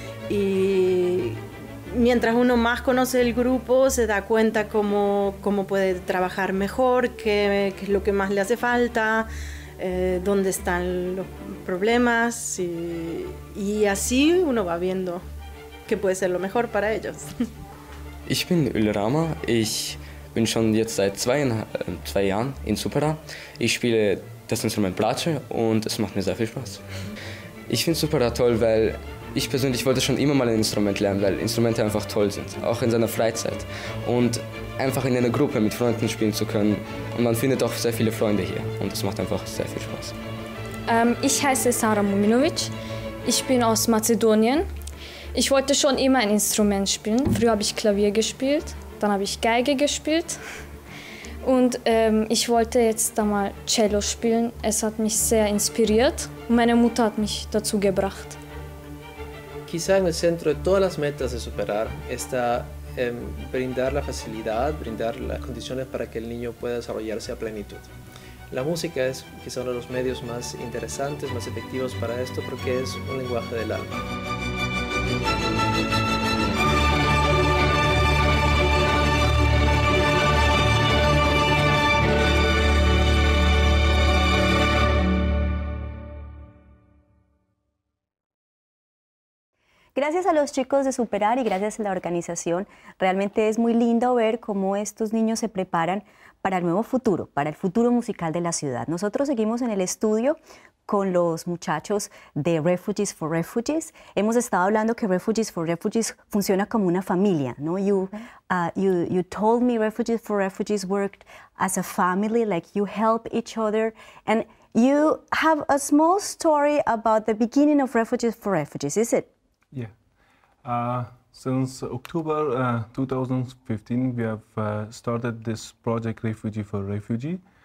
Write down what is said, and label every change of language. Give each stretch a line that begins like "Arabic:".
Spanish: Y mientras uno más conoce el grupo, se da cuenta cómo puede trabajar mejor, qué es lo que más le hace falta, dónde están los problemas. Y así uno va viendo qué puede ser lo mejor para ellos.
German: Ich bin Ulrama. Ich bin schon jetzt seit zwei Jahren in Superar. Ich spiele das Instrument Blache und es macht mir sehr viel Spaß. Ich finde Superar toll, weil ich persönlich wollte schon immer mal ein Instrument lernen, weil Instrumente einfach toll sind, auch in seiner Freizeit. Und einfach in einer Gruppe mit Freunden spielen zu können. Und man findet auch sehr viele Freunde hier und es macht einfach sehr viel Spaß. Ich heiße Sara Muminovic. Ich bin aus Mazedonien. Ich wollte schon immer ein Instrument spielen. Früher habe ich Klavier gespielt. Dann habe ich Geige gespielt und ich wollte jetzt einmal Cello spielen. Es hat mich sehr inspiriert und meine Mutter hat mich dazu gebracht.
Spanish: Quizá en el centro de todas las metas de Superar está brindar la facilidad, brindar las condiciones para que el niño pueda desarrollarse a plenitud. La música es quizá uno de los medios más interesantes, más efectivos para esto porque es un lenguaje del alma. Gracias a los chicos de Superar y gracias a la organización, realmente es muy lindo ver cómo estos niños se preparan para el nuevo futuro, para el futuro musical de la ciudad. Nosotros seguimos en el estudio con los muchachos de Refugees for Refugees. Hemos estado hablando que Refugees for Refugees funciona como una familia, ¿no?
English: You told me Refugees for Refugees worked as a family, like you help each other. And You have a small story about the beginning of Refugees for Refugees, is it? Yeah. Since October 2015, we have started this project Refugee for Refugee.